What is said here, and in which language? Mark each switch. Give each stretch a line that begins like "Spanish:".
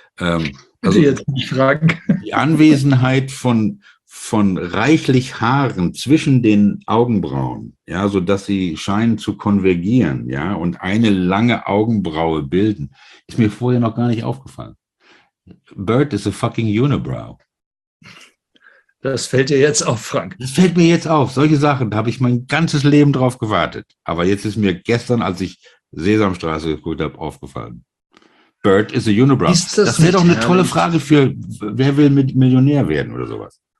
German: also jetzt nicht fragen. Die Anwesenheit von reichlich Haaren zwischen den Augenbrauen, ja, so dass sie scheinen zu konvergieren, ja, und eine lange Augenbraue bilden, ist mir vorher noch gar nicht aufgefallen.
English: Bird is a fucking unibrow.
German: Das fällt dir jetzt auf, Frank. Das fällt mir jetzt auf. Solche Sachen, da habe ich mein ganzes Leben drauf gewartet. Aber jetzt ist mir gestern, als ich Sesamstraße geguckt habe, aufgefallen.
English: Bird is a unibrow.
German: Das wäre doch eine tolle Frage für Wer will mit Millionär werden oder sowas.